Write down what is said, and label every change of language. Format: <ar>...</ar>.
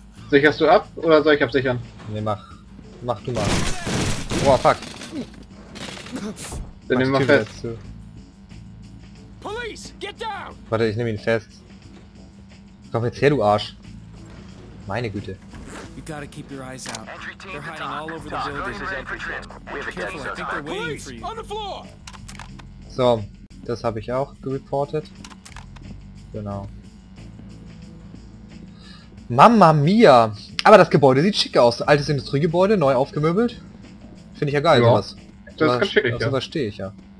<de>Sicherst du ab oder soll ich absichern? Nee, mach. Mach du mal. Oh, fuck. Dann nimm mal fest.</de> <en>Police, get down!</en> <de>Warte, ich nehme ihn fest. Komm jetzt her, du Arsch. Meine Güte.</de> <en>You gotta keep your eyes out. They're hiding all over the building. Careful, I think they're waiting for you. On the floor.</en> <de>So, das habe ich auch gereportet. Genau. Mamma mia! Aber das Gebäude sieht schick aus. Altes Industriegebäude, neu aufgemöbelt. Finde ich ja geil, ja, sowas. Das ist ganz schick, ja. Das verstehe ich, ja.</de>